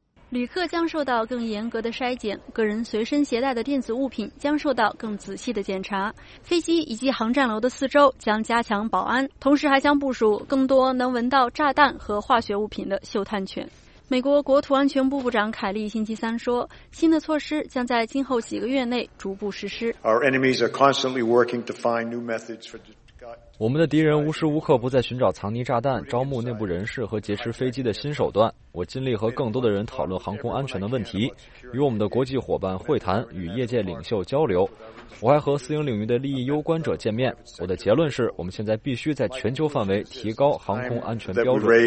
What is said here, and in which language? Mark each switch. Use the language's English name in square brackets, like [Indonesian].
[Chinese] 旅客将受到更严格的筛检，个人随身携带的电子物品将受到更仔细的检查，飞机以及航站楼的四周将加强保安，同时还将部署更多能闻到炸弹和化学物品的嗅探犬。美国国土安全部部长凯利星期三说，新的措施将在今后几个月内逐步实施。 [English] Our enemies are constantly working to find new methods for... [Chinese] 我们的敌人无时无刻不在寻找藏匿炸弹、招募内部人士和劫持飞机的新手段。我尽力和更多的人讨论航空安全的问题，与我们的国际伙伴会谈，与业界领袖交流。我还和私营领域的利益攸关者见面。我的结论是，我们现在必须在全球范围提高航空安全标准。